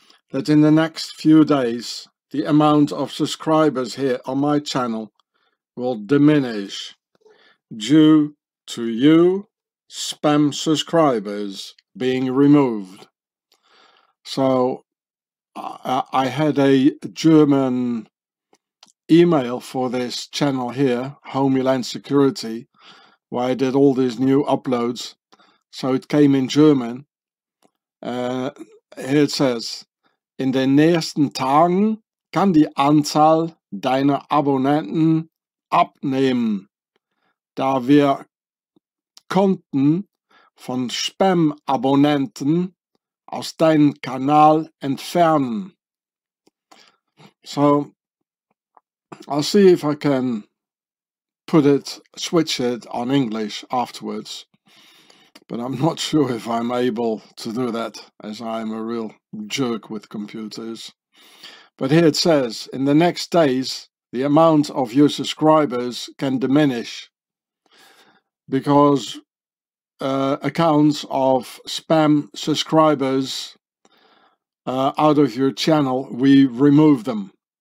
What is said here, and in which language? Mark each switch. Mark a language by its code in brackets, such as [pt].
[en] that in the next few days the amount of subscribers here on my channel will diminish due to you spam subscribers being removed. So I had a German email for this channel here, Homeland Security, where I did all these new uploads. So it came in German. Here it says, [de] in den nächsten Tagen kann die Anzahl deiner Abonnenten abnehmen, da wir Konten von Spam-Abonnenten aus deinem Kanal entfernen. [en] So, I'll see if I can switch it on English afterwards. But I'm not sure if I'm able to do that, as I'm a real jerk with computers. But here it says, in the next days, the amount of your subscribers can diminish because accounts of spam subscribers out of your channel, we remove them.